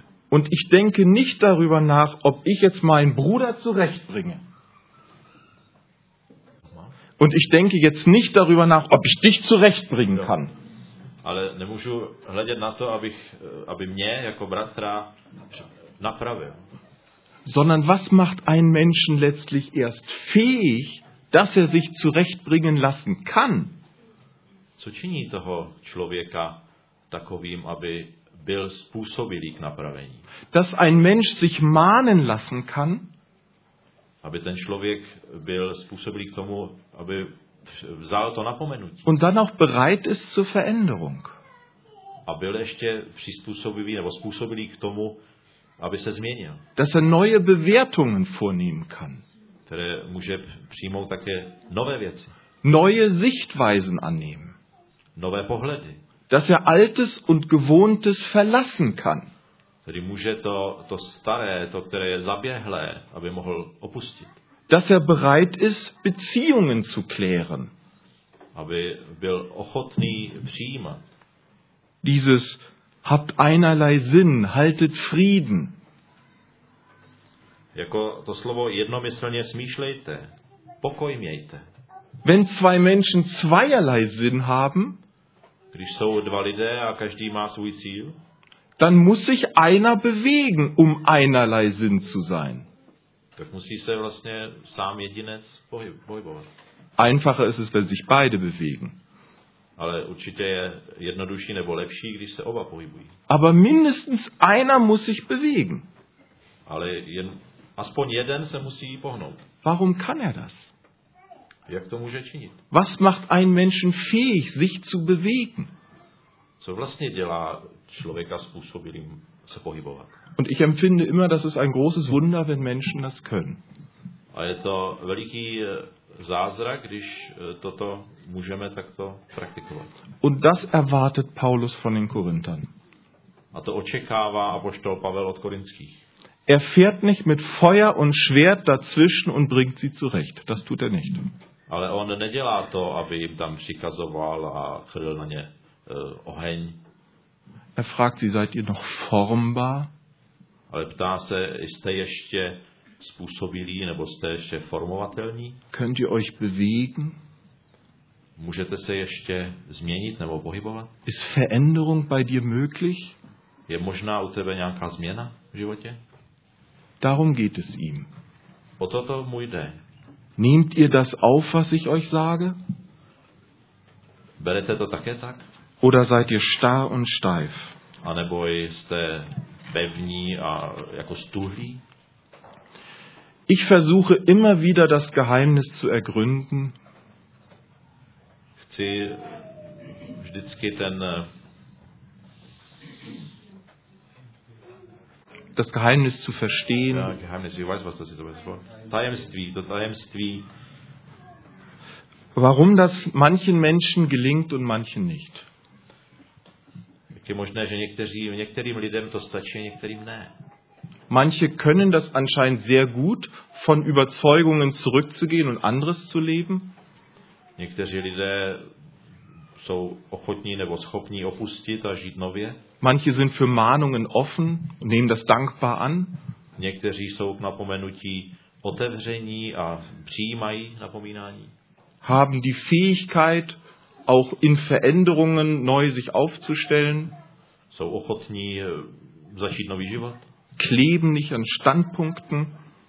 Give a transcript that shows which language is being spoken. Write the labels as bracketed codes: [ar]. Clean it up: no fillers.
[de] Und ich denke nicht darüber nach, ob ich jetzt meinen Bruder zurechtbringe. Und ich denke jetzt nicht darüber nach, ob ich dich zurechtbringen kann. [cs] Ale nemůžu hledět na to, aby mě jako bratra napravil. [de] Sondern was macht einen Menschen letztlich erst fähig, dass er sich zurechtbringen lassen kann? [cs] Co činí toho člověka takovým, aby byl způsobilý k napravení? [de] Dass ein Mensch sich mahnen lassen kann? [cs] Aby ten člověk byl způsobilý k tomu, aby vzal to napomenutí. [de] Und dann auch bereit ist zur Veränderung. [cs] A byl ještě přizpůsobivý nebo způsobilý k tomu, aby se změnil. [de] Dass er neue Bewertungen vornehmen kann. [cs] Které může přijmout také nové věci. [de] Neue Sichtweisen annehmen. [cs] Nové pohledy. [de] Dass er altes und gewohntes verlassen kann. [cs] Tedy může to staré, to, které je zaběhlé, aby mohl opustit. [de] Dass er bereit ist, Beziehungen zu klären. [cs] Aby byl ochotný přijímat. [de] Dieses habt einerlei Sinn, haltet Frieden. [cs] Jako to slovo jednomyslně smýšlejte, pokoj mějte. [de] Wenn zwei Menschen zweierlei Sinn haben, [cs] když jsou dva lidé a každý má svůj cíl, [de] dann muss sich einer bewegen, um einerlei Sinn zu sein. [cs] Tak musí se vlastně sám jedinec pohybovat. [de] Einfacher ist es, wenn sich beide bewegen. [cs] Ale určitě je jednodušší nebo lepší, když se oba pohybují. [de] Aber mindestens einer muss sich bewegen. [cs] Ale aspoň jeden se musí pohnout. [de] Warum kann er das? [cs] Jak to může činit? [de] Was macht einen Menschen fähig, sich zu bewegen? [cs] Co vlastně dělá člověka způsobilým se pohybovat? [de] Und ich empfinde immer, dass es ein großes Wunder, wenn Menschen das können. [cs] A je to veliký zázrak, když toto můžeme takto praktikovat. [de] Und das erwartet Paulus von den Korinthern. [cs] A to očekává apoštol Pavel od Korinských. [de] Er fährt nicht mit Feuer und Schwert dazwischen und bringt sie zurecht. Das tut er nicht. [cs] Ale on nedělá to, aby jim tam přikazoval a chrlil na ně oheň. [de] Er fragt sie, seid ihr noch formbar? [cs] Ale ptá se, jste ještě způsobilí nebo jste ještě formovatelní? [de] Könnt ihr euch bewegen? [cs] Můžete se ještě změnit nebo pohybovat? [de] Ist Veränderung bei dir möglich? [cs] Je možná u tebe nějaká změna v životě? [de] Darum geht es ihm. [cs] O toto mu jde. [de] Nehmt ihr das auf, was ich euch sage? [cs] Berete to také tak? [de] Oder seid ihr starr und steif? [cs] A nebo jste pevní a jako stuhlí? [de] Ich versuche immer wieder das Geheimnis zu ergründen. [cs] Chci vždycky ten [de] das Geheimnis zu verstehen. Ja, Geheimnis, ich weiß, was das ist, aber das Wort. [cs] Tajemství, to tajemství. [de] Warum das manchen Menschen gelingt und manchen nicht? [cs] Jak je možné, že některým lidem to stačí, některým ne. [de] Manche können das anscheinend sehr gut, von Überzeugungen zurückzugehen und anderes zu leben. [cs] Někteří lidé jsou ochotní nebo schopní opustit a žít nově. [de] Manche sind für Mahnungen offen und nehmen das dankbar an. [cs] Někteří jsou k napomenutí otevření a přijímají napomínání. [de] Haben die Fähigkeit, auch in Veränderungen neu sich aufzustellen. [cs] Jsou ochotní začít nový život. [de] Kleben nicht an Standpunkten.